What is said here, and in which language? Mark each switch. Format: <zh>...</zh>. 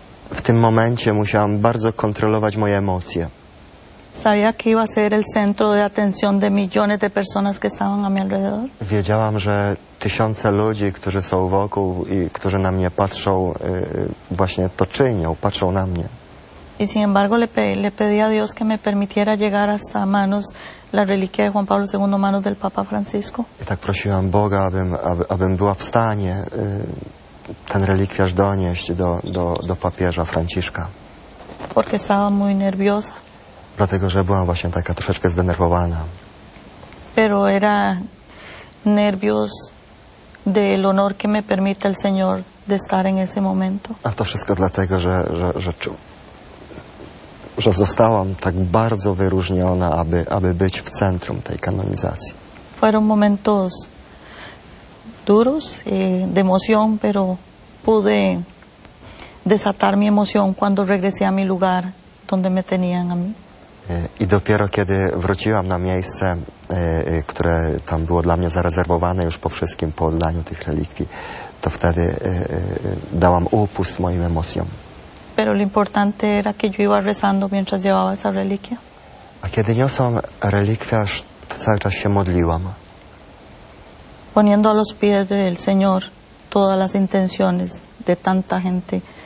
<pl>W tym momencie musiałam bardzo kontrolować moje emocje.</pl> <es>Sabía que iba a ser el centro de atención de millones de personas que estaban a mi alrededor.</es> <pl>Wiedziałam, że tysiące ludzi, którzy są wokół i którzy na mnie patrzą, właśnie to czynią, patrzą na mnie.</pl> <es>Y sin embargo le pedí a Dios que me permitiera llegar hasta manos la reliquia de Juan Pablo II, manos del Papa Francisco.</es> <pl>I tak prosiłam Boga, abym była w stanie ten relikwiarz donieść do papieża Franciszka.</pl> <es>Porque estaba muy nerviosa.</es> <pl>Dlatego, że byłam właśnie taka troszeczkę zdenerwowana.</pl> <es>Pero era nervios del honor que me permite el Señor de estar en ese momento.</es> <pl>A to wszystko dlatego, że zostałam tak bardzo wyróżniona, aby być w centrum tej kanonizacji.</pl> <es>Fueron momentos duros, de emoción, pero pude desatar mi emoción cuando regresé a mi lugar donde me tenían a mí.</es> <pl>I dopiero kiedy wróciłam na miejsce, które tam było dla mnie zarezerwowane już po wszystkim, po oddaniu tych relikwii, to wtedy dałam upust moim emocjom.</pl> <es>Pero lo importante era que yo iba rezando mientras llevaba esa reliquia.</es> <pl>A kiedy niosłam relikwiarz, to cały czas się modliłam.</pl> <es>Poniendo a los pies del Señor todas las intenciones de tanta gente.</es>